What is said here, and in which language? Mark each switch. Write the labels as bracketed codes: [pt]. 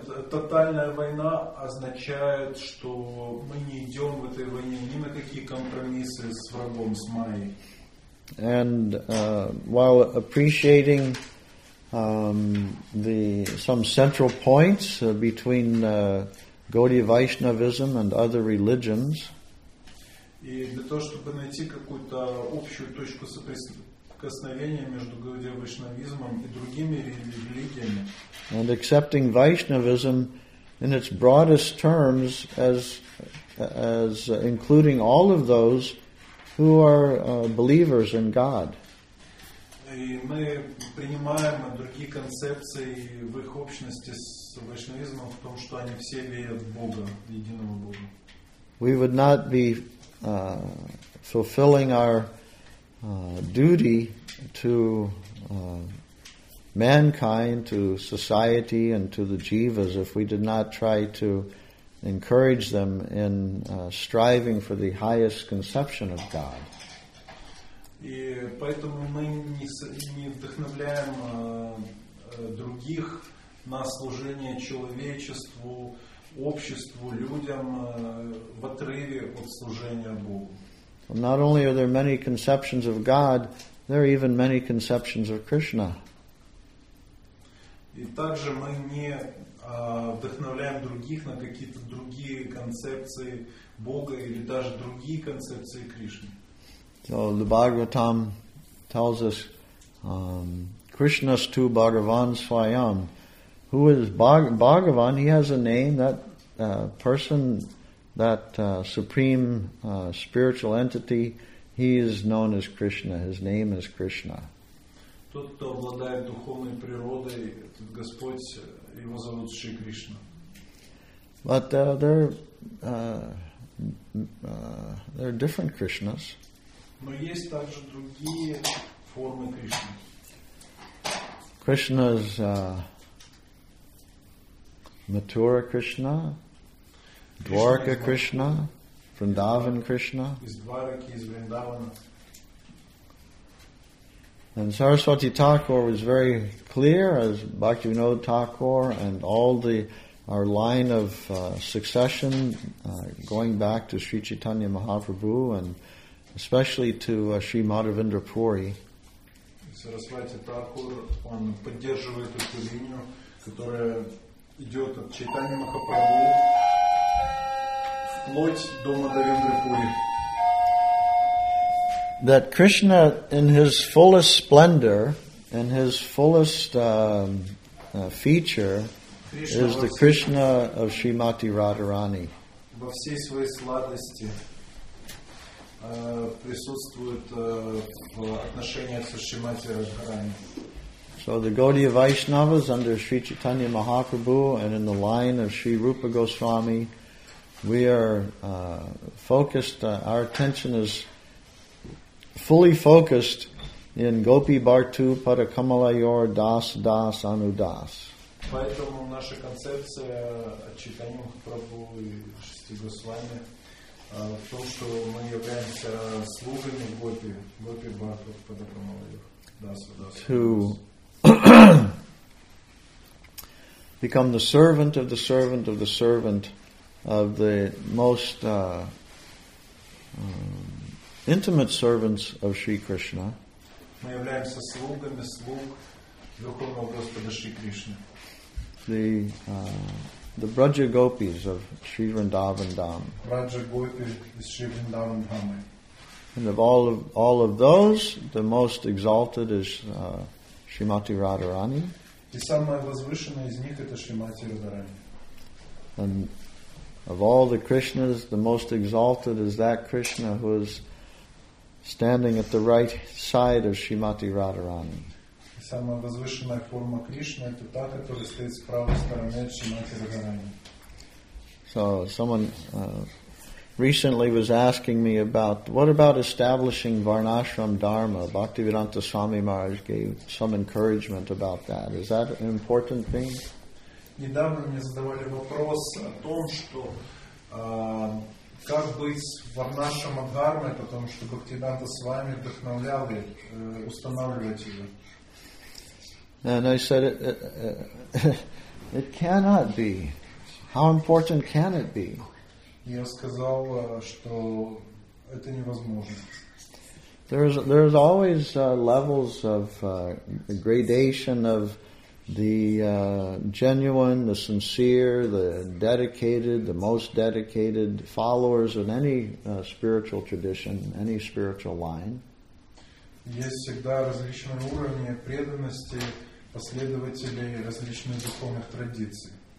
[ru] Тотальная война означает, что мы не идем в этой войне ни на какие компромиссы с врагом, с Майей. [en] And while appreciating some central points between Gaudiya Vaishnavism and other religions, [ru] и для того, чтобы найти какую-то общую точку соприкосновения между Gaudiya Vaishnavism и другими религиями, [en] and accepting Vaishnavism in its broadest terms as including all of those who are believers in God. [ru] И мы принимаем другие концепции в их общности с вайшнавизмом в том, что они все верят в Бога, в единого Бога. [en] We would not be fulfilling our duty to mankind, to society, and to the jivas if we did not try to encourage them in striving for the highest conception of God. [ru] И поэтому мы не вдохновляем других на служение человечеству, обществу, людям в отрыве от служения Богу. [en] Not only are there many conceptions of God, there are even many conceptions of Krishna. [ru] И также мы не вдохновляем других на какие-то другие концепции Бога или даже другие концепции Кришны. [en] So the Bhagavatam tells us, [sa] Krishnastu Bhagavan Swayam. [en] Who is Bhagavan? He has a name, that person, that supreme spiritual entity. He is known as Krishna. His name is Krishna. [ru] Тот, кто обладает духовной природой, этот Господь, его зовут Шри Кришна. [en] But there are different Krishnas. [ru] Но есть также другие формы Кришны. [en] Krishna is Mathura Krishna, Dwarka Krishna, Vrindavan Krishna. [ru] Из Двараки, из Вриндавана. [en] And Saraswati Thakur was very clear, as Bhaktivinoda Thakur and all the our line of succession going back to Sri Chaitanya Mahaprabhu and especially to Sri Madhavendra Puri. [ru] Saraswati Thakur, он поддерживает эту линию, которая идет от Чайтани Махапрабху вплоть до Мадхавендры Пури. [en] That Krishna, in his fullest splendor, in his fullest feature, is the Krishna of Srimati Radharani. [ru] Во всей своей сладости присутствует в отношениях со Шримати Радхарани. [en] So the Gaudiya Vaishnavas under Sri Chaitanya Mahaprabhu and in the line of Sri Rupa Goswami, we are focused, our attention is fully focused in [sa] Gopi Bhartu Padakamalayor Das Das Anudas. [ru] Поэтому наша концепция о Чайтанья Махапрабху и Шри Госвами в том, что мы являемся слугами Гопи, [sa] Гопи Бхарту Падакамалайор Дас Дас. [en] To become the servant of the servant of the servant of the most intimate servants of Sri Krishna. [ru] Мы являемся слугами слуг Верховного Господа Шри Кришны. [en] The Braja Gopis of Sri Vrindavan Dham. Braja Gopis is Sri Vrindavan Dham. And of all of those, the most exalted is Srimati Radharani. [ru] И самая возвышенная из них это Шримати Радхарани. [en] And of all the Krishnas, the most exalted is that Krishna who is standing at the right side of Srimati Radharani. [ru] И самая возвышенная форма Кришны это та, которая стоит с правой стороны от Шримати Радхарани. [en] So someone recently was asking me about what about establishing Varnashram Dharma? Bhaktivedanta Swami Maharaj gave some encouragement about that. Is that an important thing? [ru] Недавно мне задавали вопрос о том, что как быть Варнашрам Дхармой, потому что Бхактивиданта Свами вдохновлял устанавливать ее. [en] And I said it cannot be. How important can it be? [ru] Я сказал, что это невозможно. [en] There's always levels of gradation of the genuine, the sincere, the dedicated, the most dedicated followers in any spiritual tradition, any spiritual line. [ru] Есть всегда различные уровни преданности последователей различных духовных традиций.